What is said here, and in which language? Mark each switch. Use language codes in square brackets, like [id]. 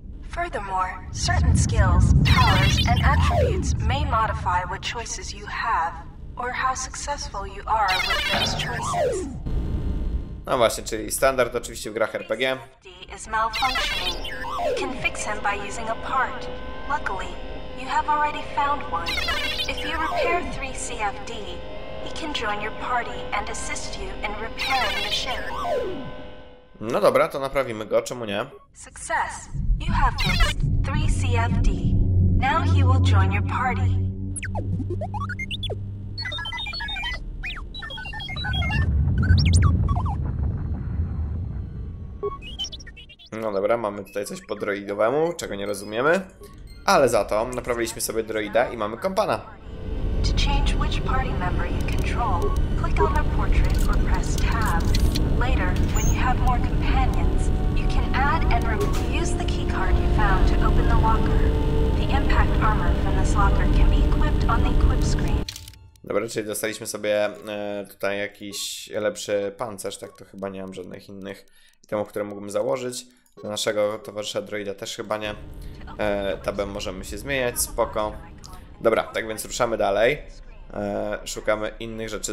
[en] Furthermore, certain skills, powers, and attributes may modify what choices you have, or how successful you are with those choices. [pl] No właśnie, czyli standard oczywiście w grach RPG. [en] Is malfunctioning. You can fix him by using a part. Luckily, you have already found one. If you repair 3CFD, he can join your party and assist you in repairing the ship. [pl] No dobra, to naprawimy go, czemu nie? [en] Success. You have fixed 3CFD. Now he will join your party. [pl] No dobra, mamy tutaj coś po droidowemu, czego nie rozumiemy. Ale za to naprawiliśmy sobie droida i mamy kompana. [en] To change which party member you control, click on their portrait or press tab. Later, when you have more companions, you can add and use the key card you found to open the locker. The impact armor from this locker can be equipped on the equip screen. [pl] Dobra, czyli dostaliśmy sobie tutaj jakiś lepszy pancerz, tak to chyba nie mam żadnych innych itemów, które mógłbym założyć. Do naszego towarzysza droida też chyba nie. Tabem możemy się zmieniać, spoko. Dobra, tak więc ruszamy dalej. Szukamy innych rzeczy.